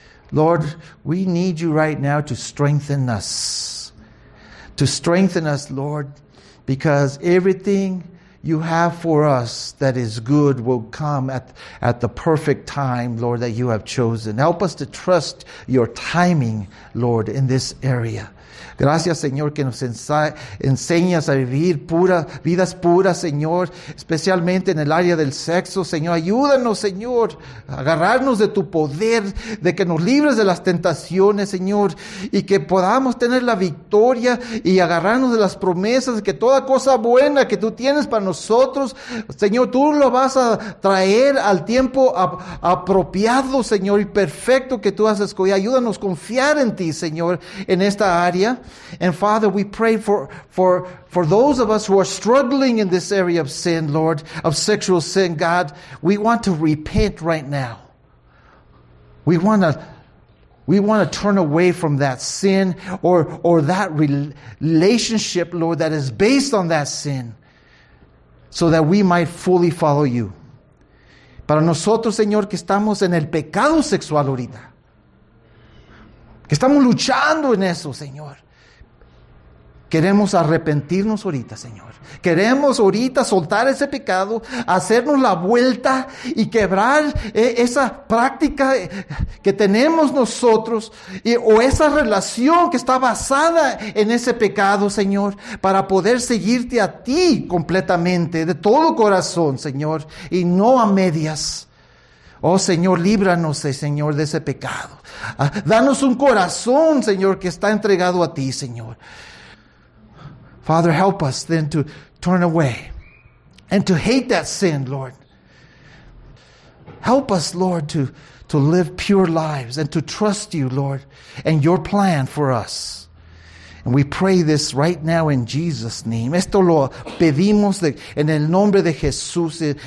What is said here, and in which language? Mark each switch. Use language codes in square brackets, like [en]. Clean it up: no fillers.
[en] Lord, we need you right now to strengthen us. To strengthen us, Lord, because everything you have for us that is good will come at the perfect time, Lord, that you have chosen. Help us to trust your timing, Lord, in this area. [es] Gracias, Señor, que nos enseñas a vivir vidas puras, Señor, especialmente en el área del sexo, Señor. Ayúdanos, Señor, a agarrarnos de tu poder, de que nos libres de las tentaciones, Señor, y que podamos tener la victoria y agarrarnos de las promesas, que toda cosa buena que tú tienes para nosotros, Señor, tú lo vas a traer al tiempo apropiado, Señor, y perfecto que tú has escogido. Ayúdanos a confiar en ti, Señor, en esta área. [en] And Father, we pray for those of us who are struggling in this area of sin, Lord, of sexual sin. God, we want to repent right now. We want to turn away from that sin or that relationship, Lord, that is based on that sin, so that we might fully follow you. [es] Para nosotros, Señor, que estamos en el pecado sexual ahorita, que estamos luchando en eso, Señor. Queremos arrepentirnos ahorita, Señor. Queremos ahorita soltar ese pecado, hacernos la vuelta y quebrar esa práctica que tenemos nosotros o esa relación que está basada en ese pecado, Señor, para poder seguirte a ti completamente, de todo corazón, Señor, y no a medias. Oh, Señor, líbranos, Señor, de ese pecado. Danos un corazón, Señor, que está entregado a ti, Señor. [en] Father, help us then to turn away and to hate that sin, Lord. Help us, Lord, to live pure lives and to trust you, Lord, and your plan for us. And we pray this right now in Jesus' name. [es] Esto lo pedimos en el nombre de Jesús.